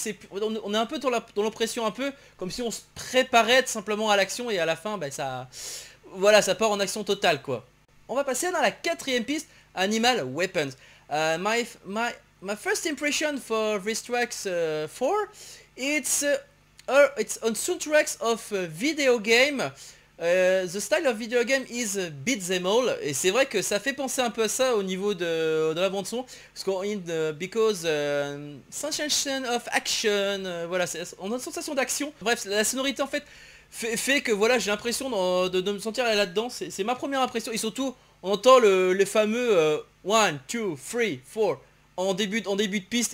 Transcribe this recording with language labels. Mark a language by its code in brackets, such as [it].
[fr] On est un peu dans l'oppression, un peu comme si on se préparait simplement à l'action et à la fin ça part en action totale, quoi. On va passer dans la 4ème piste, Animal Weapons. [en] My first impression for this tracks 4, it's on soundtracks of video game. The style of video game is beat them all. [fr] Et c'est vrai que ça fait penser un peu à ça au niveau de la bande son. [en] Sensation of action. [fr] On a une sensation d'action. Bref, la sonorité en fait fait que voilà, j'ai l'impression de me sentir là-dedans. C'est ma première impression. Et surtout, on entend le fameux 1, 2, 3, 4 en début de piste.